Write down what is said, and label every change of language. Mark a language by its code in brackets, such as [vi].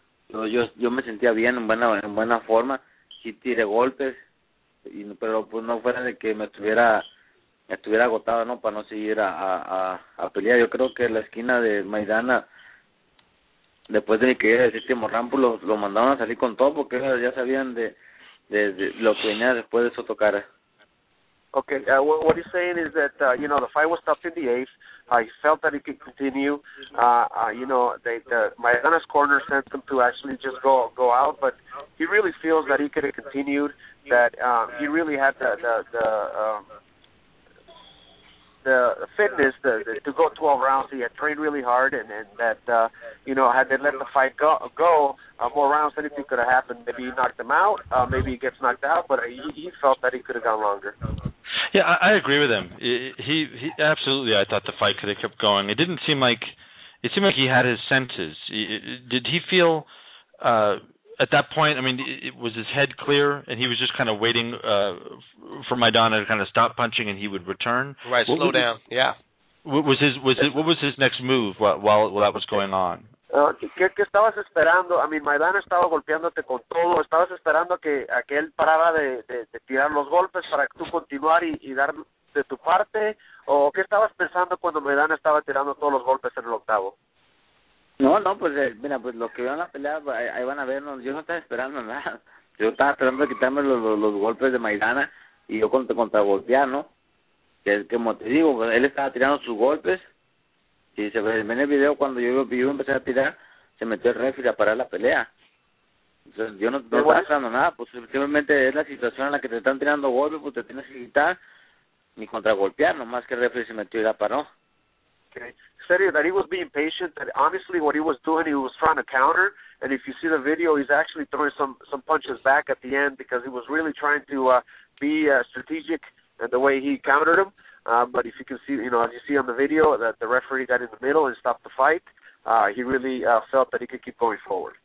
[es] Yo me sentía bien, en buena forma. Sí tiré golpes, pero pues no fuera de que me estuviera agotado, ¿no? Para no seguir a pelear. Yo creo que la esquina de Maidana, después de que era el séptimo rampo, lo mandaron a salir con todo porque ya sabían de lo que venía después de eso tocar. [en] Okay, what he's saying is that, you know, the fight was tough in the eighth. He felt that he could continue. You know, the Maidana's corner sent him to actually just go out, but he really feels that he could have continued, that he really had the fitness to go 12 rounds. He had trained really hard, and that, you know, had they let the fight go more rounds, anything could have happened. Maybe he knocked him out, maybe he gets knocked out, but he felt that he could have gone longer. Yeah, I agree with him. He absolutely. I thought the fight could have kept going. It didn't seem like he had his senses. Did he feel at that point? I mean, was his head clear and he was just kind of waiting for Maidana to kind of stop punching and he would return? Right, slow down. Yeah. What was his next move while that was going on? [es] ¿Qué estabas esperando? [en] I mean, [es] Maidana estaba golpeándote con todo. Estabas esperando a que él parara de tirar los golpes para tú continuar y dar de tu parte. ¿O qué estabas pensando cuando Maidana estaba tirando todos los golpes en el octavo? No, pues mira, pues lo que vean la pelea, ahí van a ver. No, yo no estaba esperando nada. Yo estaba esperando quitarme los golpes de Maidana y yo contragolpear, ¿no? Que es como te digo, pues, él estaba tirando sus golpes. Y se ve en el video cuando yo empecé a tirar, se metió el refri a parar la pelea. Entonces yo no estaba haciendo nada, pues simplemente es la situación en la que te están tirando golpes, pues te tienes que quitar ni contragolpear, nomás que el refri se metió y la paró. [en] Okay. Said that he was being patient, that honestly what he was doing, he was trying to counter, and if you see the video, he's actually throwing some punches back at the end because he was really trying to be strategic in the way he countered him. But if you can see, you know, as you see on the video, that the referee got in the middle and stopped the fight, he really felt that he could keep going forward.